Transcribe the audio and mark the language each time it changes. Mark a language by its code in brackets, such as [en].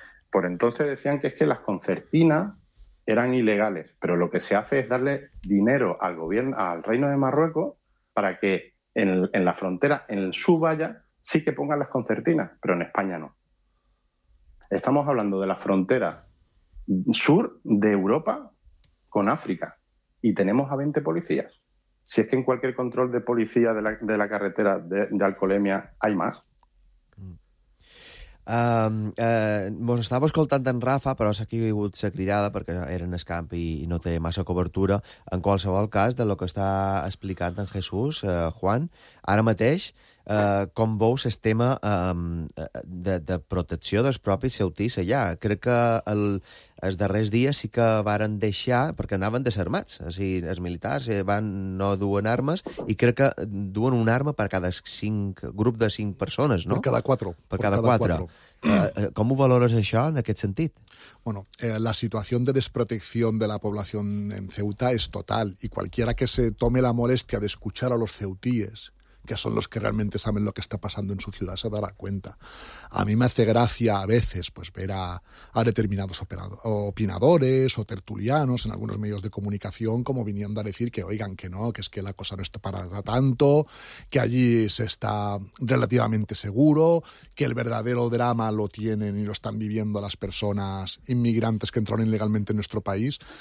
[es] Por entonces decían que es que las concertinas eran ilegales, pero lo que se hace es darle dinero al gobierno, al Reino de Marruecos, para que en la frontera, en su valla, sí que pongan las concertinas, pero en España no. Estamos hablando de la frontera sur de Europa con África, y tenemos a 20 policías. Si es que en cualquier control de policía de la carretera de Alcolemia hay más. [ca] Mos estava escoltant en Rafa, però s'ha caigut la cridada perquè era en el camp i no té massa cobertura. En qualsevol cas, de lo que està explicant en Jesús, Juan, ara mateix, com veu el tema de protecció dels propis ceutis allà? Crec que els darrers dies sí que varen deixar, perquè anaven desarmats, o sigui, els militars no duen armes, i crec que duen una arma per cada 5, grup de 5 persones, no? Per cada quatre. [es] ¿Cómo valoras eso en aquel sentido? Bueno, la situación de desprotección de la población en Ceuta es total, y cualquiera que se tome la molestia de escuchar a los ceutíes, que son los que realmente saben lo que está pasando en su ciudad, se dará cuenta. A mí me hace gracia a veces pues ver a determinados opinadores o tertulianos en algunos medios de comunicación como viniendo a decir que oigan que no, que es que la cosa no está para tanto, que allí se está relativamente seguro, que el verdadero drama lo tienen y lo están viviendo las personas inmigrantes que entraron ilegalmente en nuestro país.